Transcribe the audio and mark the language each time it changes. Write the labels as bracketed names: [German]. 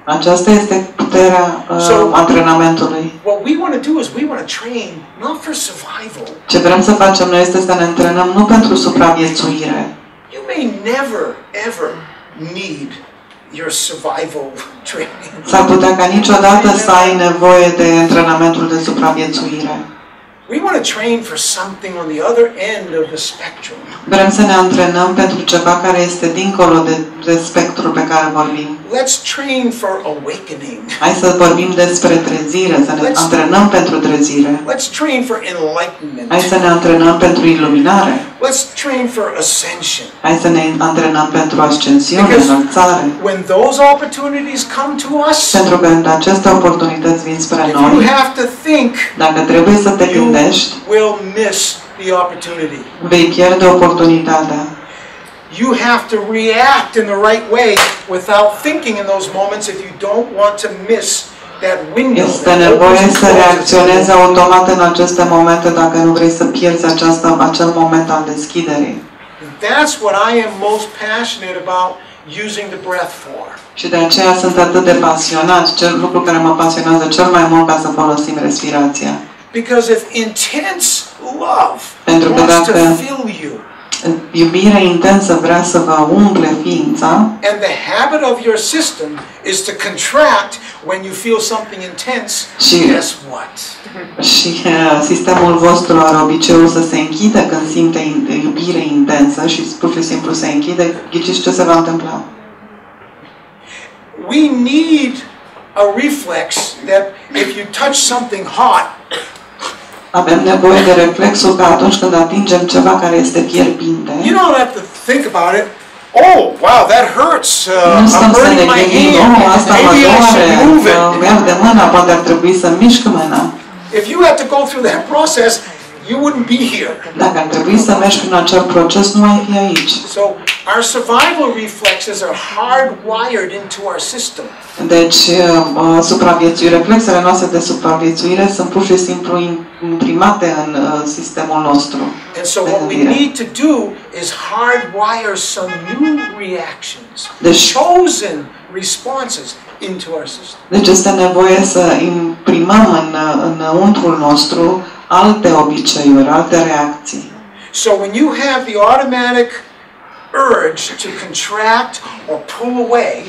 [Romanian] Aceasta este puterea antrenamentului. [English] What we want to do is we want to train not for survival. [Romanian] Ce vrem să facem noi este să ne antrenăm nu pentru supraviețuire. [English] You may never ever need your survival training. [Romanian] S-ar putea ca niciodată să ai nevoie de antrenamentul de supraviețuire. [English] We want to train for something on the other end of the spectrum. [Romanian] Vrem să ne antrenăm pentru ceva care este dincolo de spectrul pe care vorbim. [English] Let's train for awakening. [Romanian] Hai să vorbim despre trezire, să ne antrenăm pentru trezire. [English] Let's train for enlightenment. [Romanian] Hai să ne antrenăm pentru iluminare. [English] Let's train for ascension. [Romanian] Hai să ne antrenăm pentru ascensiune, înălțare. [English] When those opportunities come to us, [Romanian] pentru că când aceste oportunități vin spre noi, [English] you have to think, [Romanian] dacă trebuie să te [English] you will miss the opportunity. [Romanian] Vei pierde oportunitatea. [English] You have to react in the right way without thinking in those moments if you don't want to miss that window. [Romanian] Este nevoie să reacționezi automat în aceste momente dacă nu vrei să pierzi acel moment al deschiderii. [English] That's what I am most passionate about using the breath for. [Romanian] Și de aceea sunt atât de pasionat, cel lucru care mă pasionează cel mai mult ca să folosim respirația. [English] Because if intense love [Romanian] pentru că [English] wants to fill you, [Romanian] iubirea intensă vrea să vă umple ființa. [English] And the habit of your system is to contract when you feel something intense. [Romanian] Și, [English] guess what? [Romanian] Și sistemul vostru are obiceiul să se închidă când simte iubire intensă și pur și simplu se închide. Ghiciți ce se va întâmpla? [English] We need a reflex that if you touch something hot. [Romanian] Avem nevoie de reflexul că atunci când atingem ceva care este fierbinte. [English] You don't have to think about it. Oh, wow, that hurts. I'm burning my hand. [Romanian] Asta mă doare. Mi-am de mână, poate ar trebui să mișc mâna. [English] If you had to go through that process, you wouldn't be here. [Romanian] Dacă ar trebui să mergi prin acel proces, nu ai fi aici. [English] So our survival reflexes are hardwired into our system. [Romanian] Deci supraviețuire, reflexele noastre de supraviețuire sunt pur și simplu imprimate în sistemul nostru. [English] And so what we need to do is hardwire some new reactions, chosen responses into our system. [Romanian] Deci este nevoie să imprimăm înăuntrul nostru alte obiceiuri, alte reacții. [English] So when you have the automatic urge to contract or pull away.